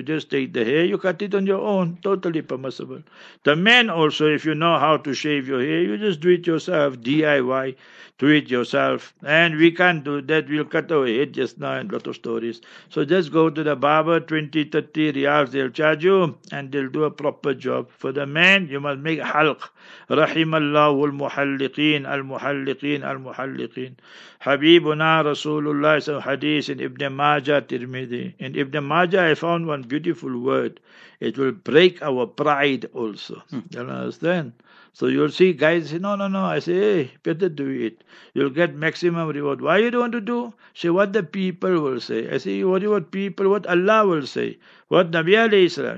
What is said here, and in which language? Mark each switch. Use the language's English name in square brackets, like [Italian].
[English] You just take the hair, you cut it on your own. Totally permissible. The men also, if you know how to shave your hair, you just do it yourself, DIY. Do it yourself. And we can't do that. We'll cut our head just now and a lot of stories. So just go to the barber, 20, 30 riyals, they'll charge you and they'll do a proper job. For the man, you must make halq. [Arabic] رحم الله المحلقين المحلقين المحلقين حبيبنا رسول الله صلى الله عليه وسلم. In Ibn Majah, Tirmidhi. [English] In Ibn Majah, I found one beautiful word. It will break our pride also. You understand? So you'll see guys say, no, no, no. I say, hey, better do it. You'll get maximum reward. Why you don't want to do? Say, what the people will say. I say, what do you want people, what Allah will say? What Nabi alayhi salam?